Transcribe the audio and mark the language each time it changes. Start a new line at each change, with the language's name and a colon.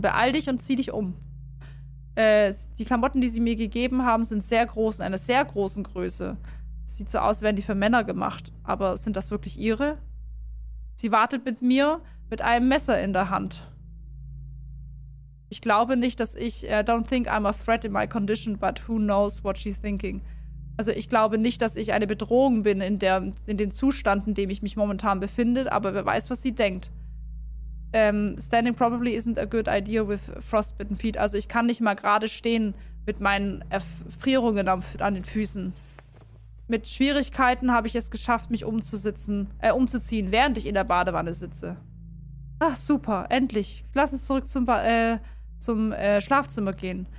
German: Beeil dich und zieh dich um. Die Klamotten, die sie mir gegeben haben, sind sehr groß, in einer sehr großen Größe. Sieht so aus, wären die für Männer gemacht. Aber sind das wirklich ihre? Sie wartet mit mir mit einem Messer in der Hand. Ich glaube nicht, dass ich...
English: don't think I'm a threat in my condition, but who knows what she's thinking.
German: Also ich glaube nicht, dass ich eine Bedrohung bin in dem Zustand, in dem ich mich momentan befinde, aber wer weiß, was sie denkt.
English: Standing probably isn't a good idea with frostbitten feet.
German: Also ich kann nicht mal gerade stehen mit meinen Erfrierungen an den Füßen. Mit Schwierigkeiten habe ich es geschafft, mich umzuziehen, während ich in der Badewanne sitze. Ach super, endlich. Lass uns zurück zum Schlafzimmer gehen.